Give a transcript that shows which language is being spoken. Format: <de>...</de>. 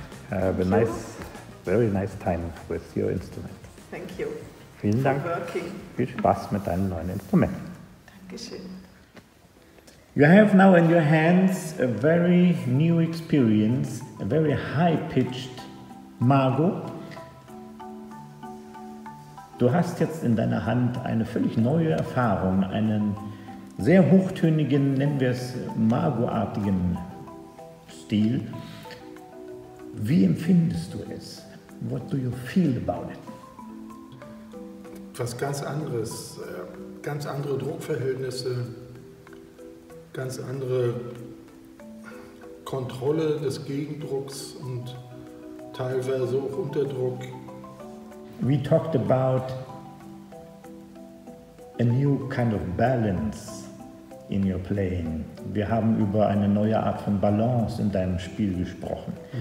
<en>Have a nice, very nice time with your instrument. Thank you.</en> <de>Vielen Dank. Viel Spaß mit deinem neuen Instrument. Dankeschön.</de> <en>You have now in your hands a very new experience, a very high-pitched Mago.</en> <de>Du hast jetzt in deiner Hand eine völlig neue Erfahrung, einen sehr hochtönigen, nennen wir es Mago-artigen Stil. Wie empfindest du es?</de> <en>What do you feel about it?</en> <de>Was ganz anderes. Ganz andere Druckverhältnisse. Ganz andere Kontrolle des Gegendrucks und teilweise auch Unterdruck.</de> <en>We talked about a new kind of balance in your playing.</en> <de>Wir haben über eine neue Art von Balance in deinem Spiel gesprochen.</de>